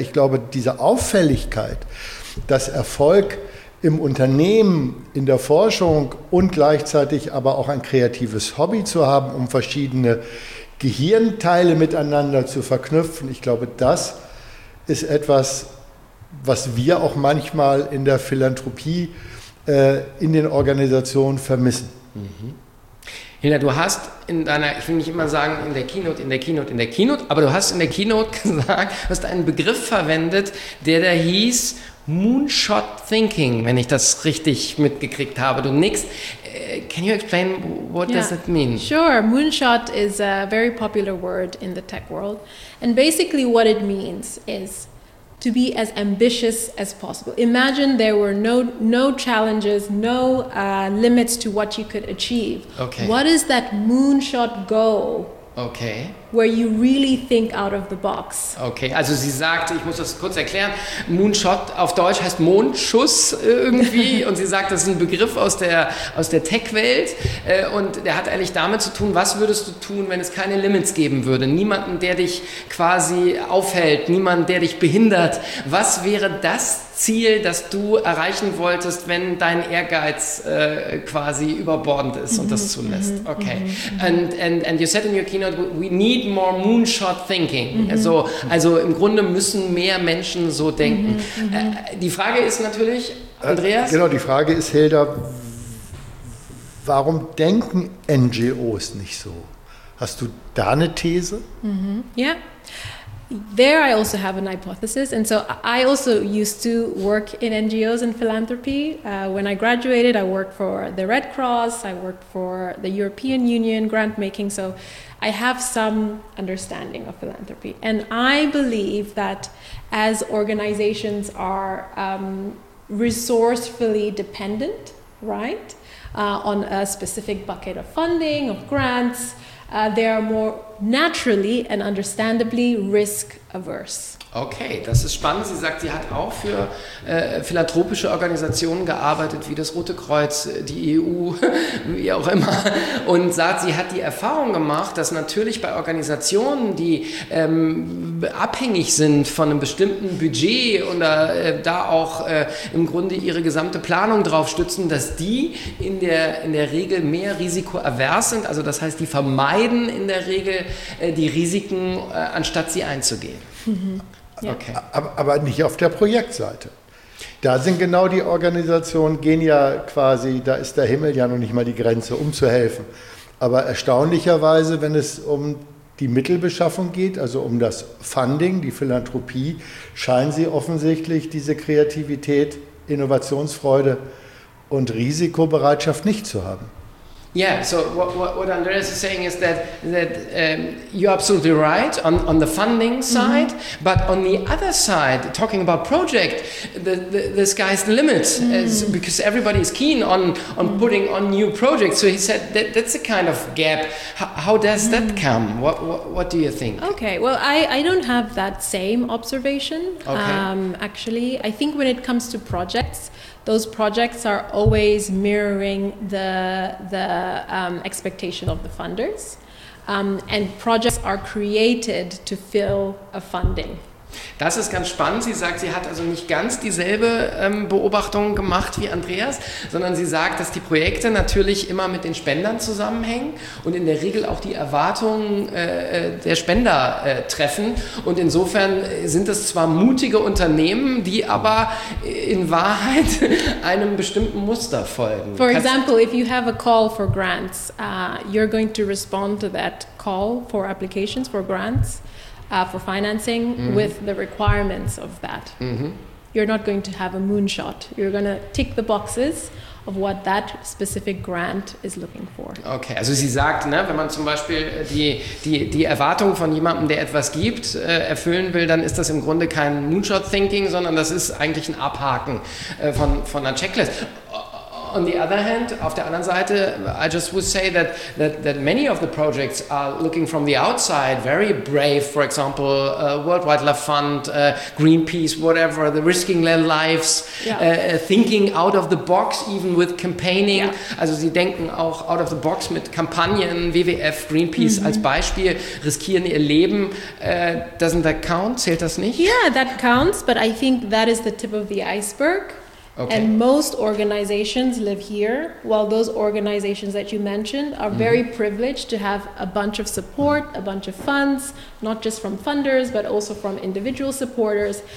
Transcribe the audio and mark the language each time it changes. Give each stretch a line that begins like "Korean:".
German: Ich glaube, diese Auffälligkeit, dass Erfolg im Unternehmen, in der Forschung und gleichzeitig aber auch ein kreatives Hobby zu haben, um verschiedene Gehirnteile miteinander zu verknüpfen, ich glaube, das ist etwas, was wir auch manchmal in der Philanthropie in den Organisationen vermissen. Mhm. Hilda, du hast in deiner, ich will nicht immer sagen, in der Keynote, aber du hast in der Keynote gesagt, hast einen Begriff verwendet, der da hieß Moonshot Thinking, wenn ich das richtig mitgekriegt habe. Du nickst.
English: Can you explain what does that mean? Sure, Moonshot is a very popular word in the tech world. And basically what it means is to be as ambitious as possible. Imagine there were no challenges, no limits to what you could achieve. Okay. What is that moonshot goal? Okay. Where you really think out of the box.
German: Okay, also sie sagt, ich muss das kurz erklären, Moonshot auf Deutsch heißt Mondschuss irgendwie und sie sagt, das ist ein Begriff aus der Tech-Welt und der hat eigentlich damit zu tun, was würdest du tun, wenn es keine Limits geben würde, niemanden, der dich quasi aufhält, niemanden, der dich behindert, was wäre das Ziel, das du erreichen wolltest, wenn dein Ehrgeiz quasi überbordend ist und das zulässt? Okay.
English: And you said in your keynote, we need more moonshot thinking. Mm-hmm.
German: Also im Grunde müssen mehr Menschen so denken. Mm-hmm. Die Frage ist natürlich, Andreas? Genau, die Frage ist, Hilda, warum denken NGOs nicht so? Hast du da eine These? Ja. Mm-hmm. Yeah.
English: There I also have an hypothesis, and so I also used to work in NGOs and philanthropy. When I graduated, I worked for the Red Cross, I worked for the European Union grant making, so I have some understanding of philanthropy. And I believe that as organizations are resourcefully dependent, right, on a specific bucket of funding, of grants, they are more naturally and understandably risk-averse.
German: Okay, das ist spannend. Sie sagt, sie hat auch für philanthropische Organisationen gearbeitet, wie das Rote Kreuz, die EU, wie auch immer. Und sagt, sie hat die Erfahrung gemacht, dass natürlich bei Organisationen, die abhängig sind von einem bestimmten Budget und da auch im Grunde ihre gesamte Planung drauf stützen, dass die in der Regel mehr risikoavers sind. Also das heißt, die vermeiden in der Regel die Risiken, anstatt sie einzugehen. Mhm. Ja. Okay. Aber nicht auf der Projektseite. Da sind genau die Organisationen, gehen ja quasi, da ist der Himmel ja noch nicht mal die Grenze, um zu helfen. Aber erstaunlicherweise, wenn es um die Mittelbeschaffung geht, also um das Funding, die Philanthropie, scheinen sie offensichtlich diese Kreativität, Innovationsfreude und Risikobereitschaft nicht zu haben.
English: Yeah, so what Andreas is saying is that you're absolutely right on the funding side, mm-hmm. but on the other side, talking about project, the sky's the limit, because everybody is keen on putting on new projects. So he said that's a kind of gap. How does that come? What do you think? Okay, well, I don't have that same observation, actually. I think when it comes to projects, those projects are always mirroring the expectation of the funders, and projects are created to fill a funding.
German: Das ist ganz spannend. Sie sagt, sie hat also nicht ganz dieselbe Beobachtung gemacht wie Andreas, sondern sie sagt, dass die Projekte natürlich immer mit den Spendern zusammenhängen und in der Regel auch die Erwartungen der Spender treffen. Und insofern sind es zwar mutige Unternehmen, die aber in Wahrheit einem bestimmten Muster folgen.
English: For example, if you have a call for grants, you're going to respond to that call for applications for grants. For financing, mm-hmm. with the requirements of that. Mm-hmm. You're not going to have a moonshot. You're going to tick the boxes of what that specific grant is looking for.
German: Okay, also sie sagt, ne, wenn man zum Beispiel die Erwartung von jemandem, der etwas gibt, erfüllen will, dann ist das im Grunde kein Moonshot-Thinking, sondern das ist eigentlich ein Abhaken von einer Checklist.
English: On the other hand,
German: auf der anderen Seite,
English: I just would say that many of the projects are looking from the outside, very brave, for example, World Wildlife Fund, Greenpeace, whatever, the risking their lives, thinking out of the box, even with campaigning. Yeah.
German: Also sie denken auch
English: out of the box
German: mit Kampagnen, WWF, Greenpeace, mm-hmm. als Beispiel, riskieren ihr Leben.
English: Doesn't that count?
German: Zählt das nicht?
English: Yeah, that counts, but I think that is the tip of the iceberg. Okay. And most organizations live here, while those organizations that you mentioned are very privileged to have a bunch of support, a bunch of funds, not just from funders, but also from individual supporters.